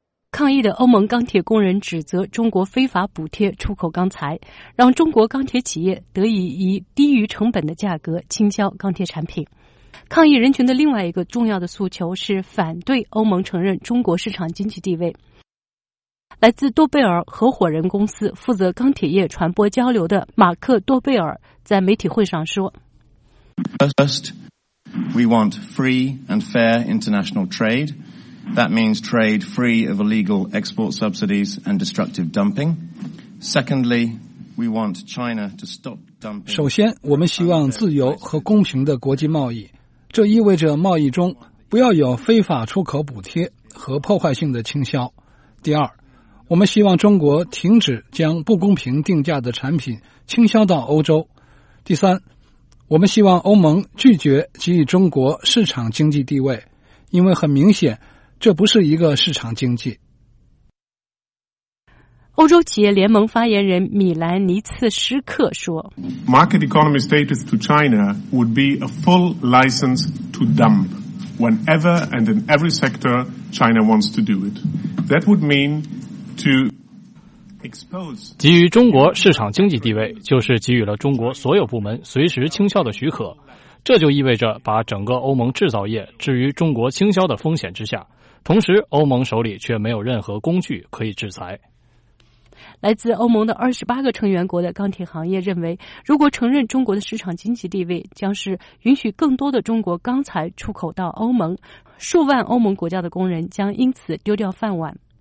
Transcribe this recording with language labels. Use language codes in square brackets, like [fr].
[zh] 抗议的欧盟钢铁工人指责中国非法补贴出口钢材，让中国钢铁企业得以以低于成本的价格倾销钢铁产品。抗议人群的另外一个重要的诉求是反对欧盟承认中国市场经济地位。来自多贝尔合伙人公司负责钢铁业传播交流的马克·多贝尔在媒体会上说 [en] First, we want free and fair international trade. That means trade free of illegal export subsidies and destructive dumping. Secondly, we want China to stop dumping. [zh] 首先，我们希望自由和公平的国际贸易，这意味着贸易中不要有非法出口补贴和破坏性的倾销。第二，我们希望中国停止将不公平定价的产品倾销到欧洲。第三，我们希望欧盟拒绝给予中国市场经济地位，因为很明显，这不是一个市场经济。欧洲企业联盟发言人米兰尼茨施克说 [en] Market economy status to China would be a full license to dump whenever and in every sector China wants to do it. That would mean to expose [zh] 给予中国市场经济地位就是给予了中国所有部门随时倾销的许可，这就意味着把整个欧盟制造业置于中国倾销的风险之下，同时欧盟手里却没有任何工具可以制裁。来自欧盟的28个成员国的钢铁行业认为，如果承认中国的市场经济地位，将是允许更多的中国钢材出口到欧盟，数万欧盟国家的工人将因此丢掉饭碗。